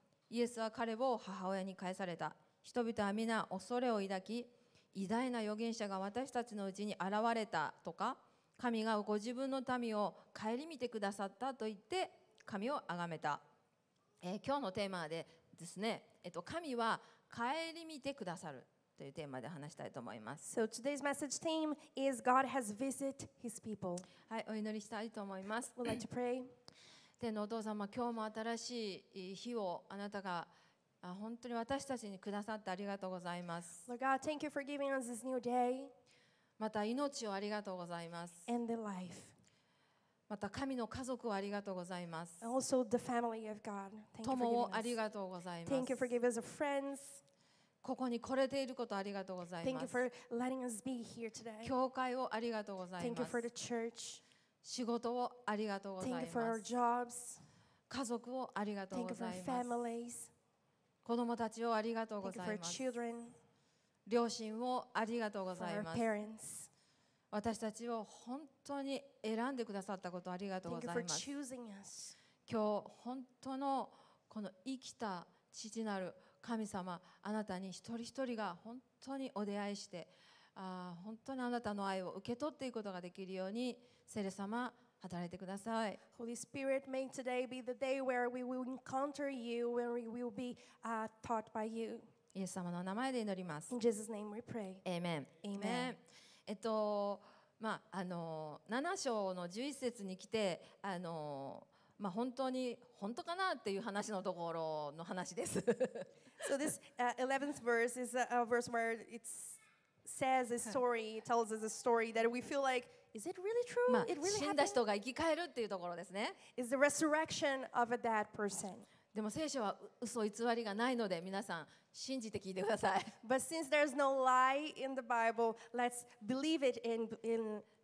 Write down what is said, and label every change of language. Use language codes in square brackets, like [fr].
[ja] イエスは彼を母親に返された。人々は皆恐れを抱き、偉大な預言者が私たちのうちに現れたとか、神がご自分の民を顧みてくださったと言って神を崇めた。今日のテーマでですね、神は顧みてくださるというテーマで話したいと思います。 [en] So today's message theme is God has visited His people. [ja] はい、お祈りしたいと思います。 [en] We'd like to pray. [ja] 天のお父様、今日も新しい日をあなたが本当に私たちにくださってありがとうございます。 [en] Lord God, thank you for giving us this new day. [ja] また命をありがとうございます。 [en] And the life. [ja] また神の家族をありがとうございます。 [en] And also the family of God. Thank you for giving us. [ja] 友をありがとうございます。 [en] Thank you for giving us friends. [ja] ここに来れていることありがとうございます。 [en] Thank you for letting us be here today. [ja] 教会をありがとうございます。 [en] Thank you for the church. [ja] 仕事をありがとうございます。 [en] Thank you for our jobs. [ja] 家族をありがとうございます。 [en] Thank you for our families. [ja] 子供たちをありがとうございます。 [en] Thank you for children. [ja] 両親をありがとうございます。 [en] For our parents. [ja] 私たちを本当に選んでくださったことありがとうございます。 [en] Thank you for choosing us. [ja] 今日本当のこの生きた父なる神様、あなたに一人一人が本当にお出会いして、本当にあなたの愛を受け取っていくことができるように、聖霊様、働いてください。 [en] Holy Spirit, may today be the day where we will encounter you, where we will be taught by you. [ja] イエス様の名前で祈ります。 [en] In Jesus' name we pray. Amen. Amen. [ja] まあ、7章の11節に来て、まあ、本当に本当かなっていう話のところの話です。 [en] So this 11th verse is a verse where it says a story, tells us a story that we feel like, is it really true? まあ、 it really happened? [ja] 死んだ人が生き返るっていうところですね。 [en] Is the resurrection of a dead person? [ja] でも聖書は嘘偽りがないので皆さん信じて聞いてください。 [en] But since there's no lie in the Bible, let's believe it in